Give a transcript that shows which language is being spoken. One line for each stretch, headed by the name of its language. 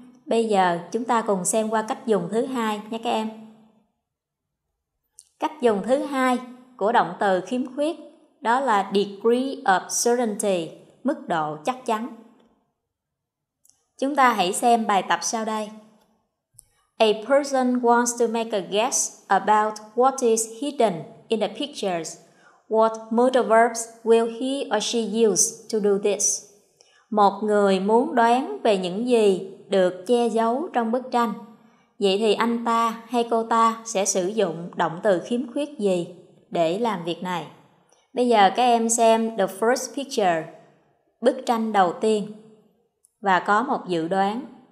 Vietnamese: Bây giờ chúng ta cùng xem qua cách dùng thứ hai nhé các em. Cách dùng thứ hai của động từ khiếm khuyết đó là degree of certainty, mức độ chắc chắn. Chúng ta hãy xem bài tập sau đây.
English: A person wants to make a guess about what is hidden in the pictures. What modal verbs will he or she use to do this?
Vietnamese: Một người muốn đoán về những gì được che giấu trong bức tranh. Vậy thì anh ta hay cô ta sẽ sử dụng động từ khiếm khuyết gì để làm việc này? Bây giờ các em xem
English: the first picture,
Vietnamese: bức tranh đầu tiên, và có một dự đoán.